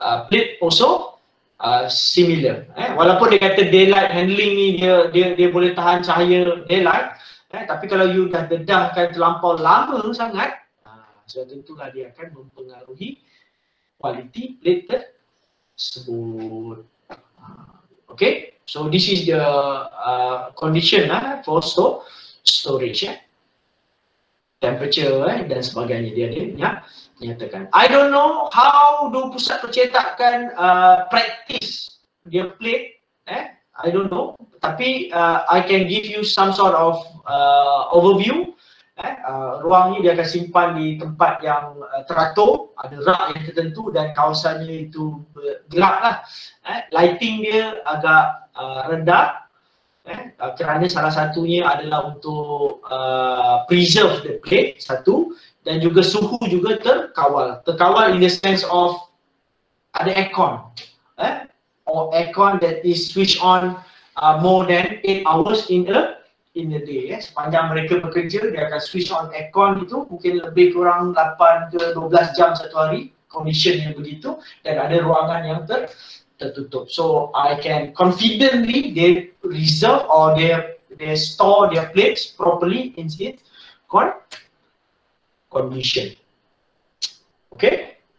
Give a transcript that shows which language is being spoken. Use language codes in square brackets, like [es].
[en] Plate also similar. [ms] Walaupun dia kata daylight handling ni dia boleh tahan cahaya daylight, tapi kalau you dah dedahkan terlampau lama sangat, sebab tentulah dia akan mempengaruhi quality plate tersebut. [en] Okay, so this is the condition for storage. [ms] Temperature dan sebagainya dia nyatakan. [en] I don't know how do [ms] pusat percetakan [en] practice [ms] dia [en] plate. I don't know. [ms] Tapi [en] I can give you some sort of overview [ms] Ruang ni dia akan simpan di tempat yang teratur, ada rak yang tertentu dan kawasannya itu gelap lah. Lighting dia agak rendah kerana salah satunya adalah untuk [en] preserve the plate, [ms] satu, dan juga suhu juga terkawal. Terkawal [en] in the sense of [ms] ada [en] aircon or aircon that is switch on more than 8 hours in the day. [ms] Sepanjang mereka bekerja, dia akan [en] switch on [ms] aircon itu mungkin lebih kurang 8 ke 12 jam satu hari, condition yang begitu, dan ada ruangan yang tertutup. [en] So I can confidently they reserve or they store their plates properly in its condition. Okay?